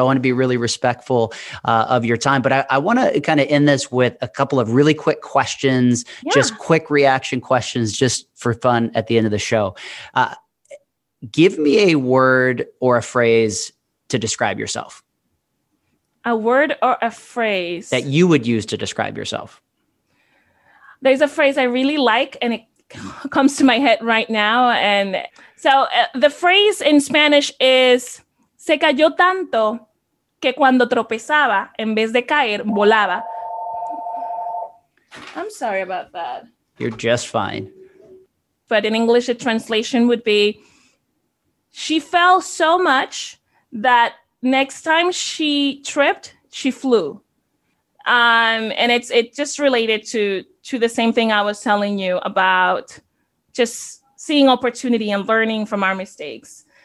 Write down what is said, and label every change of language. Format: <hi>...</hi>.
<en>So I want to be really respectful of your time. But I want to kind of end this with a couple of really quick questions, just quick reaction questions, just for fun at the end of the show. Give me a word or a phrase to describe yourself. A word or a phrase that you would use to describe yourself? There's a phrase I really like, and it comes to my head right now. And so the phrase in Spanish is,</en> <es>se cayó tanto que cuando tropezaba, en vez de caer, volaba.</es> <en>I'm sorry about that. You're just fine. But in English, the translation would be, she fell so much that next time she tripped, she flew. And it's just related to the same thing I was telling you about just seeing opportunity and learning from our mistakes.</en>